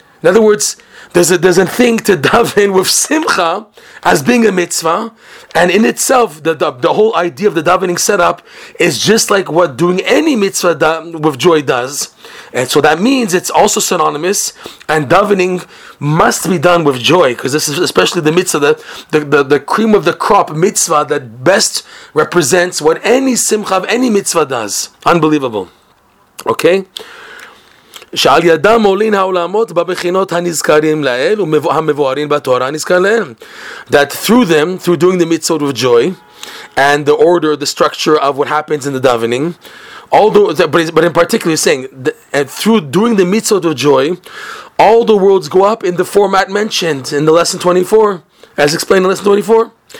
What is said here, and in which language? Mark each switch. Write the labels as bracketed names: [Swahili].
[English] In other words, there's a thing to daven with simcha as being a mitzvah, and in itself, the whole idea of the davening setup is just like what doing any mitzvah with joy does. And so that means it's also synonymous, and davening must be done with joy, because this is especially the mitzvah, the cream of the crop mitzvah that best represents what any simcha of any mitzvah does. Unbelievable. Okay? [Hebrew] שעל ידם עולין העולמות בבחינות הנזכרים לאל ומבוארים בתורה הנזכר לאל. [English] That through them, through doing the mitzvot with joy, and the order, the structure of what happens in the davening, but in particular, saying that through doing the mitzvot with joy, all the worlds go up in the format mentioned in the lesson 24, as explained in lesson 24.